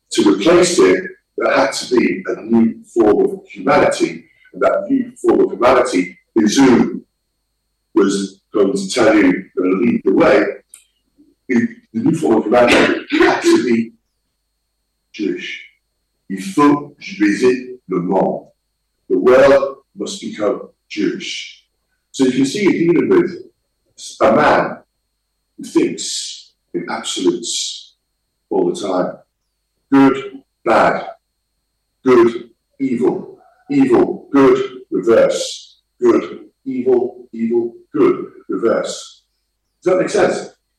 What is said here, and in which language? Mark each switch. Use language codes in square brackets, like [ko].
[en] To replace it, there had to be a new form of humanity. And that new form of humanity, Izum was going to tell you, going to lead the way. The new form of humanity had to be Jewish. [fr] Il faut visiter le monde. [en] The world must become Jewish. So if you see dealing with a man who thinks in absolutes all the time, good, bad, good, evil, evil, good, reverse, good, evil, evil, good, reverse. Does that make sense?